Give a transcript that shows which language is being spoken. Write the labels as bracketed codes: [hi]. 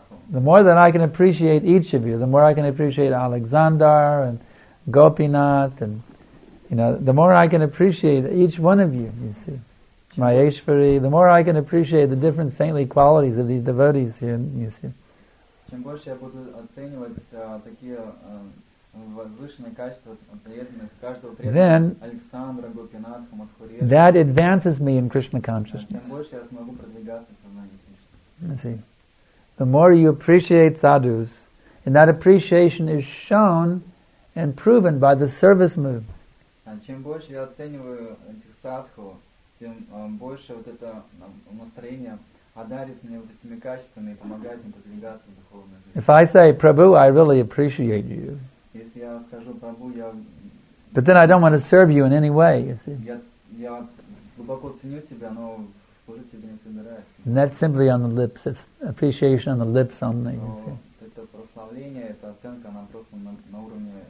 [en] The more that I can appreciate each of you, the more I can appreciate Alexander and Gopinath, and you know, the more I can appreciate each one of you, you see, Maheshwari, the more I can appreciate the different saintly qualities of these devotees here, you see. [ru] Чем больше я буду оценивать такие возвышенные качества преданных, каждого преданного, Александра, Гопинатха, Мадхури, [en] that advances me in Krishna consciousness. [ru] Чем больше я смогу продвигаться в сознании Кришны. [en] See. The more you appreciate sadhus, and that appreciation is shown and proven by the service move. [ru] Чем больше я оцениваю этих садху, тем больше вот это настроение одарит меня вот этими качествами и помогает мне продвигаться в духовной жизни. [en] If I say, Prabhu, I really appreciate you. [ru] Если я скажу, Прабу, я... [en] But then I don't want to serve you in any way, you see. [ru] Я глубоко ценю тебя, но служить тебе не собираюсь. [en] And that's simply on the lips. It's appreciation on the lips only, you see. [ru] Это прославление, это оценка, она просто на уровне...